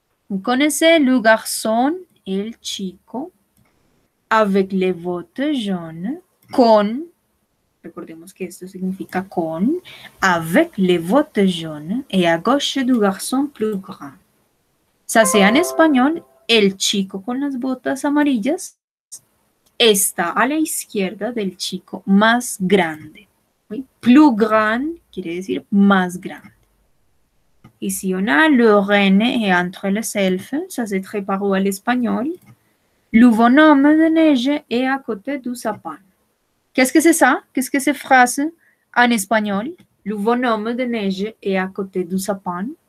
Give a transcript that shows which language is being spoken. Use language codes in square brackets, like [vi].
[fr] Vous connaissez le garçon et le chico? Avec les bottes jaunes, [es] con, recordemos que esto significa con, [fr] avec les bottes jaunes et à gauche du garçon plus grand. Ça c'est en espagnol, [es] el chico con las botas amarillas está a la izquierda del chico más grande. Oui? [fr] Plus grand [es] quiere decir más grande. [fr] Ici on a le renne et entre les elfes, ça c'est très paru à l'espagnol. Le bonhomme de neige est à côté du sapin. Qu'est-ce que c'est ça? Qu'est-ce que c'est phrase en espagnol? Le bonhomme de neige est à côté du sapin.